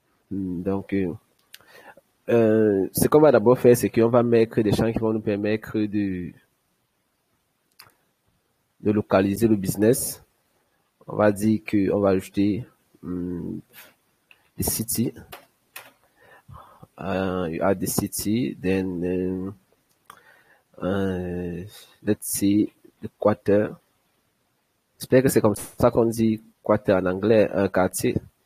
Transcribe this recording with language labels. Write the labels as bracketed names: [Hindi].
[French] Donc, ce qu'on va d'abord faire, c'est qu'on va mettre des champs qui vont nous permettre de localiser le business. On va dire qu'on va ajouter des city. [English] You add the city, then let's see the quarter. [French] J'espère que c'est comme ça qu'on dit quarter en anglais, un quartier.